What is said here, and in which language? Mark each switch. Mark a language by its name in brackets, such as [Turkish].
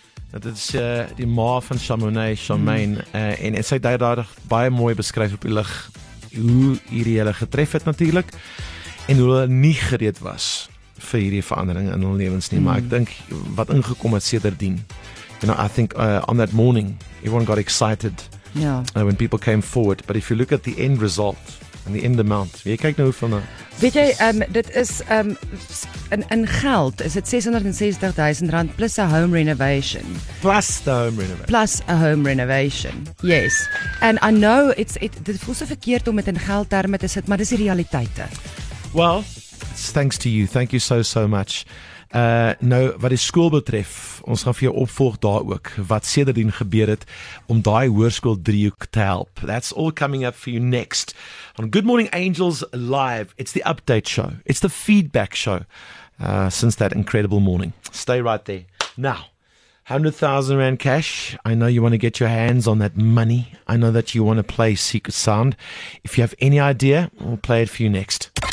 [Afrikaans] Dat is die ma van Chamonix, Charmaine, en sy het daar baie mooi beskryf op die lig, hoe hierdie hulle getref het natuurlijk, en hoe hulle nie gereed was vir hierdie verandering in hulle lewens nie, maar ek dink wat ingekom het sedertdien. [English] You know, I think on that morning everyone got excited. Yeah. When people came forward, but if you look at the end result and the end amount, [Afrikaans] jy kyk nou hoeveel nou. Weet jy, dit is in geld is dit R660,000 [English] plus a home renovation. Plus the home renovation. Plus a home renovation. Yes. And I know [Afrikaans] dit voel so verkeerd om dit in geldterme te sit, maar dis die realiteite. [English] Well, thanks to you. Thank you so much. [Afrikaans] Nou, wat die school betref, ons gaan vir jou opvolg daar ook, wat sedertdien gebeur het, om die hoërskool driehoek te help. [English] That's all coming up for you next on Good Morning Angels Live. It's the update show. It's the feedback show since that incredible morning. Stay right there. Now, 100,000 rand cash. I know you want to get your hands on that money. I know that you want to play Secret Sound. If you have any idea, we'll play it for you next.